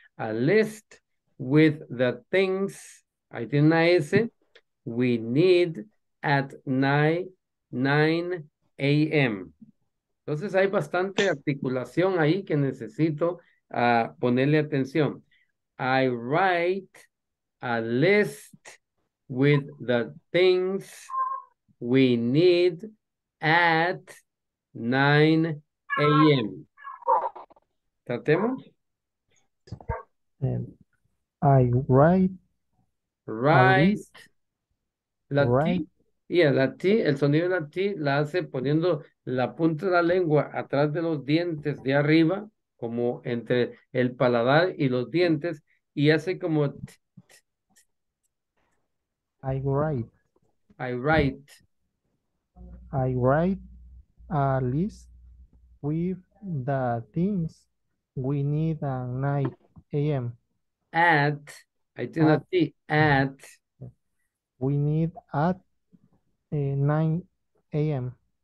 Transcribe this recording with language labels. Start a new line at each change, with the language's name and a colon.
English: A list with the things.
Spanish: Ahí tiene una S.
English: We need at 9 a.m.
Spanish: Entonces hay bastante articulación ahí que necesito ponerle atención.
English: I write a list with the things we need at 9 a.m.
Spanish: ¿Tratemos?
English: I write. Write. La write. T.
Spanish: Yeah, la T, el sonido de la T la hace poniendo la punta de la lengua atrás de los dientes de arriba, como entre el paladar y los dientes, y hace como t, t, t.
English: I write. I write. I write a list with the things we need at 9 a.m. At, I do not see, at. We need at 9 a.m.